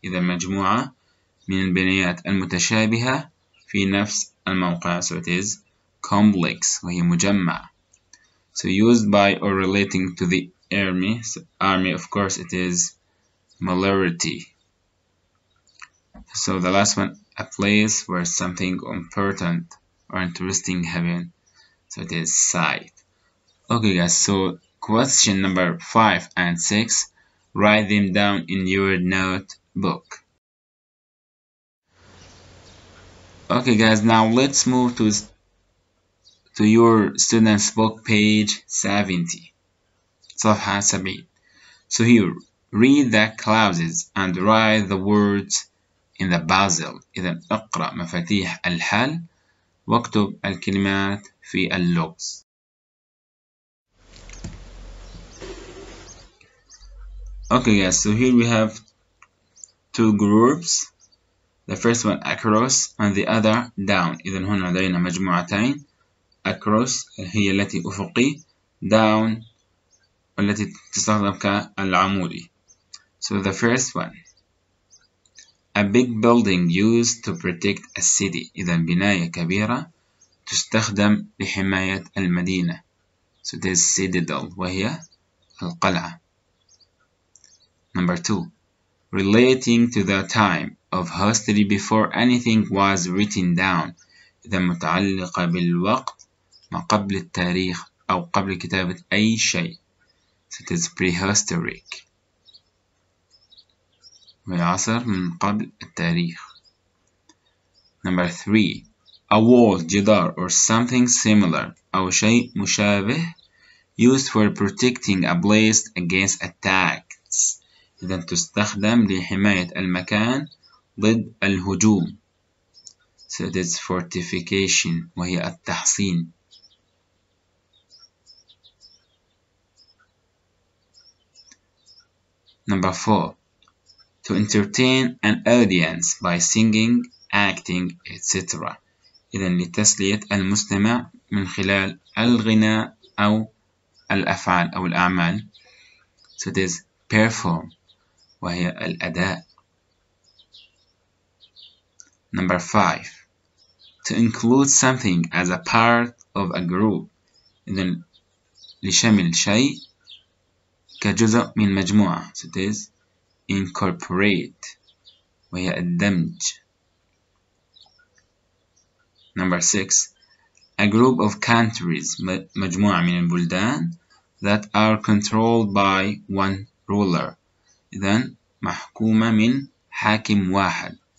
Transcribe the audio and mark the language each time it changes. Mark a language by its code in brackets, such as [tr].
[ar] إذا مجموعة من البنايات المتشابهة في نفس الموقع. [en] So it is complex, [ar] وهي مجمع. [en] So used by or relating to the army. So army, of course, it is malarity. So the last one, a place where something important or interesting happened. So it is site. Okay, guys, so question number 5 and 6. Write them down in your notebook. Okay, guys, now let's move to your student's book, page 70. Safha 70. So here, read the clauses and write the words in the puzzle. [ar] إذن اقرأ مفاتيح الحل واكتب الكلمات في اللغز. [en] Okay, guys, so here we have two groups. The first one across and the other down. [ar] إذن هنا لدينا مجموعتين. Across هي التي أفقي. Down التي تستخدم كالعمودي. [en] So the first one. A big building used to protect a city. [ar] إذن بناية كبيرة تستخدم لحماية المدينة. [en] So this is citadel [ar] وهي القلعة. [en] Number two. Relating to the time of history before anything was written down. [ar] إذا متعلقة بالوقت ما قبل التاريخ أو قبل كتابة أي شيء. [en] So it is prehistoric. [ar] عصر من قبل التاريخ. [en] Number three. A wall, جدار or something similar [ar] أو شيء مشابه [en] used for protecting a place against attacks. [ar] إذا تستخدم لحماية المكان ضد الهجوم. [en] So it is fortification [ar] وهي التحصين. [en] Number four. To entertain an audience by singing, acting, etc. [ar] إذن لتسلية المستمع من خلال الغناء أو الأفعال أو الأعمال. [en] So it is perform [ar] وهي الأداء. [en] Number five, to include something as a part of a group. [ar] إذن لشمل شيء كجزء من مجموعة. [en] So it is incorporate [ar] وهي الدمج. [en] Number six, a group of countries, [ar] مجموعة من البلدان [en] that are controlled by one [ar] ruler. إذن محكومة من حاكم واحد.